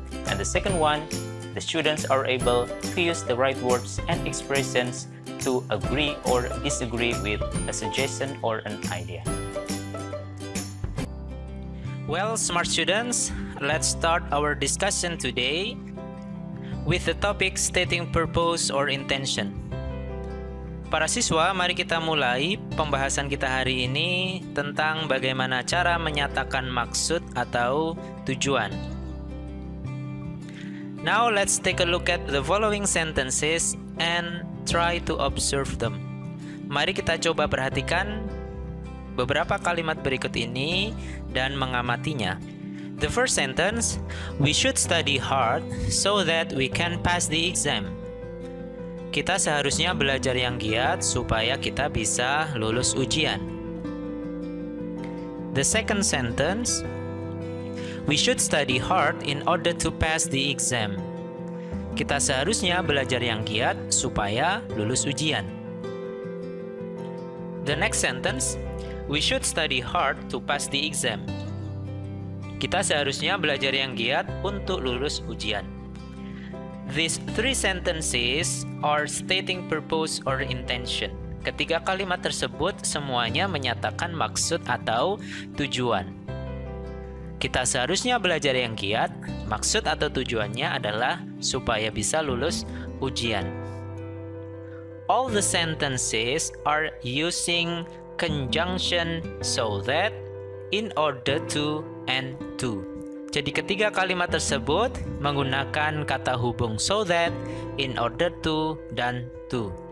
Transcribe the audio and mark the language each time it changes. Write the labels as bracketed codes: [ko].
[en] And the second one, the students are able to use the right words and expressions to agree or disagree with a suggestion or an idea. Well, smart students, let's start our discussion today with the topic stating purpose or intention. [id] Para siswa, mari kita mulai pembahasan kita hari ini tentang bagaimana cara menyatakan maksud atau tujuan. [en] Now let's take a look at the following sentences and try to observe them. [id] Mari kita coba perhatikan beberapa kalimat berikut ini dan mengamatinya. [en] The first sentence, we should study hard so that we can pass the exam. [id] Kita seharusnya belajar yang giat supaya kita bisa lulus ujian. [en] The second sentence, we should study hard in order to pass the exam. [id] Kita seharusnya belajar yang giat supaya lulus ujian. [en] The next sentence, we should study hard to pass the exam. [id] Kita seharusnya belajar yang giat untuk lulus ujian. [en] These three sentences are stating purpose or intention. [id] Ketiga kalimat tersebut semuanya menyatakan maksud atau tujuan. Kita seharusnya belajar yang giat, maksud atau tujuannya adalah supaya bisa lulus ujian. [en] All the sentences are using conjunction so that, in order to, and to. [id] Jadi ketiga kalimat tersebut menggunakan kata hubung so that, in order to, dan to.